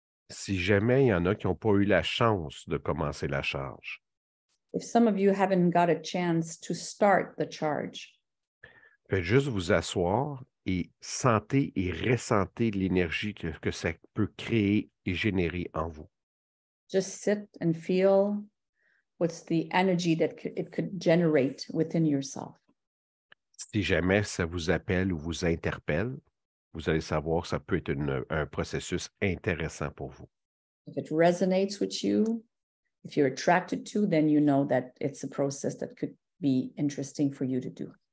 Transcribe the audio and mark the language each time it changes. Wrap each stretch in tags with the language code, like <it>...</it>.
<fr>Si jamais il y en a qui n'ont pas eu la chance de commencer la charge.</fr> <en>If some of you haven't got a chance to start the charge.</en> <fr>Faites juste vous asseoir et sentez et ressentez l'énergie que ça peut créer et générer en vous.</fr> <en>Just sit and feel what's the energy that it could generate within yourself.</en> <fr>Si jamais ça vous appelle ou vous interpelle, vous allez savoir, ça peut être un processus intéressant pour vous.</fr> <en>If it resonates with you, if you're attracted to, then you know that it's a process that could be interesting for you to do.</en>